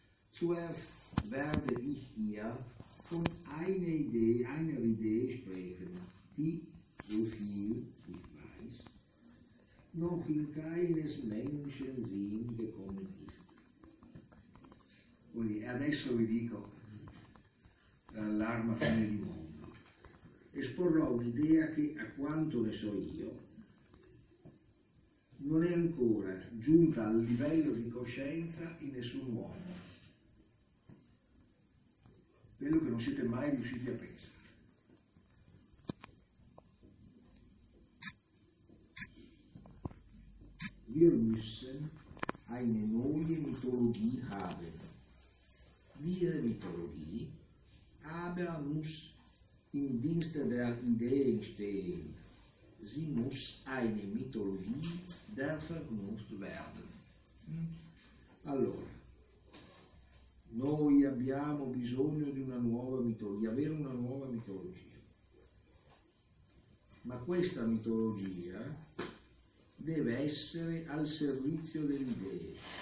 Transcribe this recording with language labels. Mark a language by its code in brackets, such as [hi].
[de] zuerst werde ich hier von einer Idee sprechen, die, so viel ich weiß, noch in keines Menschen Sinn gekommen ist. [it] Quindi adesso vi dico l'arma fine di mondo. Esporrò un'idea che, a quanto ne so io, non è ancora giunta al livello di coscienza in nessun uomo. Quello che non siete mai riusciti a pensare. [de] Wir müssen eine neue Mythologie haben. Diese Mythologie aber muss im Dienste der Ideen stehen. Sie muss eine Mythologie der Vernunft werden. [it] Allora, noi abbiamo bisogno di una nuova mitologia, avere una nuova mitologia. Ma questa mitologia deve essere al servizio delle idee.